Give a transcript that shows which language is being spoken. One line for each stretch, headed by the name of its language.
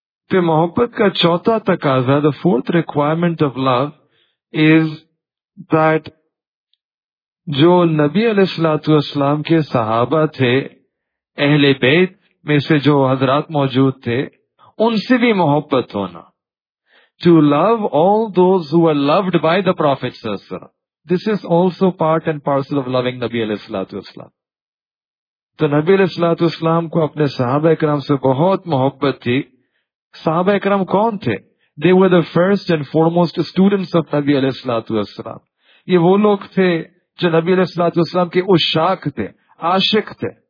Urdu: تو محبت کا چوتھا تقاضا،
English: the fourth requirement of love is that
Urdu: جو نبی علیہ الصلوۃ والسلام کے صحابہ تھے، اہل بیت میں سے جو حضرات موجود تھے، ان سے بھی محبت ہونا.
English: To love all those who are loved by the Prophet صلی اللہ علیہ وسلم. This is also part and parcel of loving نبی علیہ الصلوۃ والسلام.
Urdu: تو نبی علیہ الصلوۃ والسلام کو اپنے صحابہ اکرام سے بہت محبت تھی. صحابہ اکرام کون تھے؟
English: They were the first and foremost students of نبی علیہ الصلوۃ والسلام.
Urdu: یہ وہ لوگ تھے جو نبی علیہ الصلوۃ والسلام کے عشاق تھے، عاشق تھے.